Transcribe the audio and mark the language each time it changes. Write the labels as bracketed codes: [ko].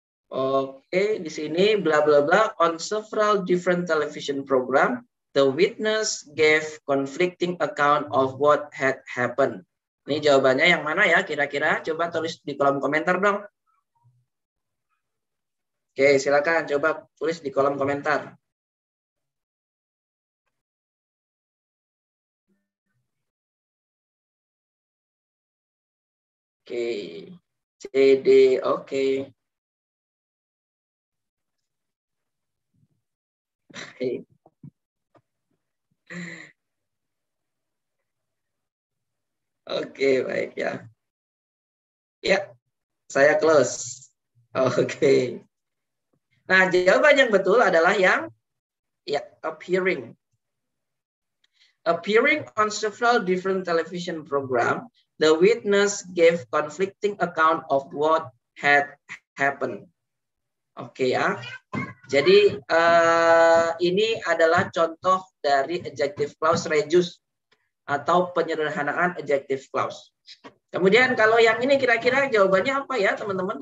[id] Oke, di sini [en] bla bla bla on several different television program, the witness gave conflicting account of what had happened. [id] Ini jawabannya yang mana ya kira-kira? Coba tulis di kolom komentar dong. Oke, silakan coba tulis di kolom komentar. Oke. CD, oke. Oke, baik ya. Ya, saya close. Oke. Nah, jawaban yang betul adalah yang ya, appearing. [en] Appearing on several different television program, the witness gave conflicting account of what had happened. [id] Oke ya. Jadi ini adalah contoh dari adjective clause reduce atau penyederhanaan adjective clause. Kemudian kalau yang ini kira-kira jawabannya apa ya teman-teman?